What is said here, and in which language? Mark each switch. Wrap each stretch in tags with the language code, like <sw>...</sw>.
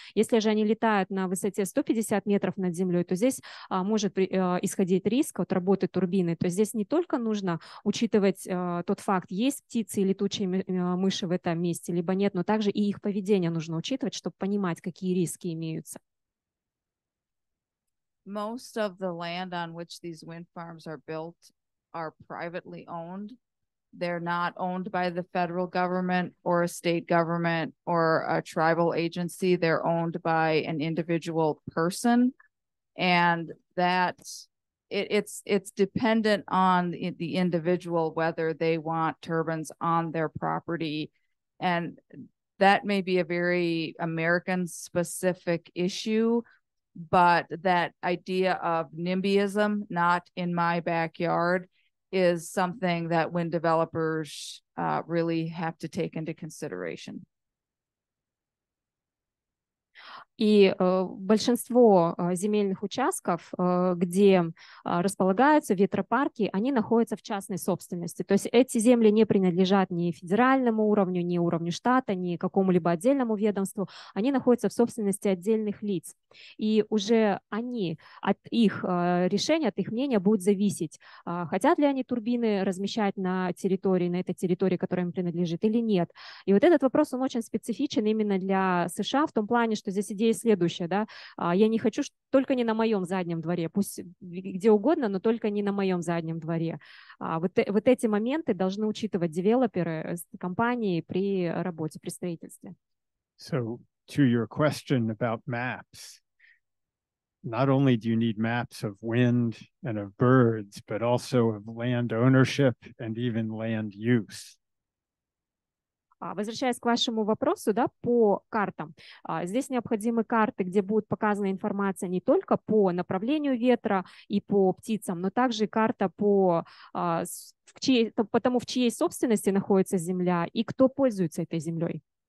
<ru>Если же они летают на высоте 150 метров над землей, то здесь может исходить риск от работы турбины. То есть здесь не только нужно учитывать тот факт, есть птицы и летучие мыши в этом месте, либо нет, но также и их поведение нужно учитывать, чтобы понимать, какие риски имеются.</ru> <en>Most of the land on which these wind farms are built are privately owned. They're not owned by the federal government or a state government or a tribal agency. They're owned by an individual person. And that it's dependent on the individual whether they want turbines on their property. And that may be a very American specific issue. But that idea of NIMBYism, not in my backyard, is something that wind developers really have to take into consideration.</en> <ru>И большинство земельных участков, где располагаются ветропарки, они находятся в частной собственности. То есть эти земли не принадлежат ни федеральному уровню, ни уровню штата, ни какому-либо отдельному ведомству. Они находятся в собственности отдельных лиц. И уже они, от их решения, от их мнения будет зависеть, хотят ли они турбины размещать на территории, на этой территории, которая им принадлежит, или нет. И вот этот вопрос, он очень специфичен именно для США в том плане, что здесь идея следующая, да, я не хочу, только не на моем заднем дворе, пусть где угодно, но только не на моем заднем дворе. Вот эти моменты должны учитывать девелоперы компании при работе, при строительстве.</ru> <en>So, to your question about maps, not only do you need maps of wind and of birds, but also of land ownership and even land use.</en> <ru>Возвращаясь к вашему вопросу, да, по картам. Здесь необходимы карты, где будет показана информация не только по направлению ветра и по птицам, но также карта по тому, в чьей собственности находится земля и кто пользуется этой землей.</ru>